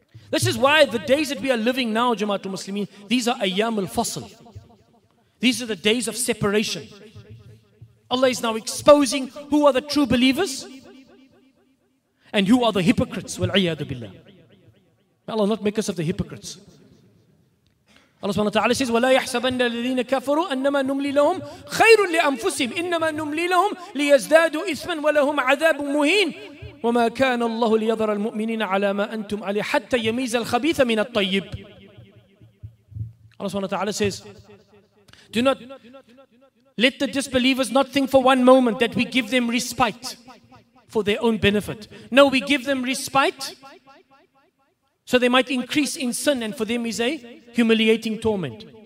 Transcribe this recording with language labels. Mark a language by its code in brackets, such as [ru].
[en] This is why the days that we are living now, Jamaatul Muslimin, these are ayyam al-fasl. These are the days of separation. Allah is now exposing who are the true believers and who are the hypocrites. Wal-iyadu billah. May Allah not make us of the hypocrites. [ar] Allah subhanahu wa ta'ala [en] says, [ar] وَلَا يَحْسَبَنَّ الَّذِينَ كَفَرُوا أَنَّمَا نُمْلِي لَهُمْ خَيْرٌ لِأَنفُسِهِمْ إِنَّمَا نُمْلِي لَهُمْ لِيَزْدَادُوا إِثْمًا وَلَهُمْ عَذَابٌ مُهِينٌ وَمَا كَانَ اللَّهُ لِيَذَرَ الْمُؤْمِنِينَ عَلَى مَا أَنْتُمْ عَلَيْهِ حَتَّى يَمِيزَ الْخَبِيثَ مِنَ الطَّيِّبِ. [en] Allah subhanahu wa ta'ala says, do not let the disbelievers not think for one moment that we give them respite for their own benefit. No, we give them respite so they might increase in sin, and for them is a humiliating torment.